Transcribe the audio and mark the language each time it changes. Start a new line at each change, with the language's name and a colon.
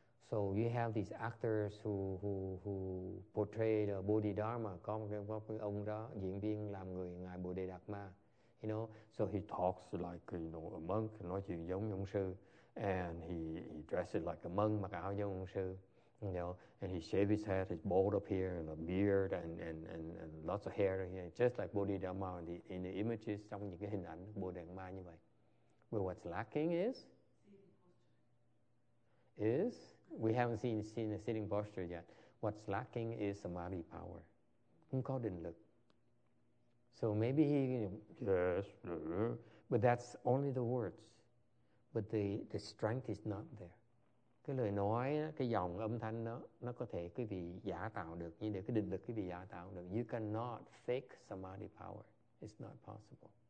English: So you have these actors who portray the Bodhidharma.
Vietnamese: Có một ông đó, diễn viên làm người ngài Bồ Đề Đạt Ma.
English: You know, so he talks like you know a monk,
Vietnamese: nói chuyện giống như ông sư,
English: and he dresses like a monk,
Vietnamese: mặc áo giống ông sư,
English: you know, and he shaves his head, he's bald up here, and a beard, and lots of hair, you know, just like Bodhidharma in the images,
Vietnamese: trong những cái hình ảnh Bồ Đề Đạt Ma như vậy.
English: But what's lacking is we haven't seen the sitting posture yet. what's lacking is samadhi power.
Vietnamese: Không có định lực.
English: So maybe he, yes, but that's only the words. But the strength is not there.
Vietnamese: Cái lời nói, cái dòng âm thanh đó, nó có thể quý vị giả tạo được, nhưng để cái định lực quý vị giả tạo được.
English: You cannot fake samadhi power. It's not possible.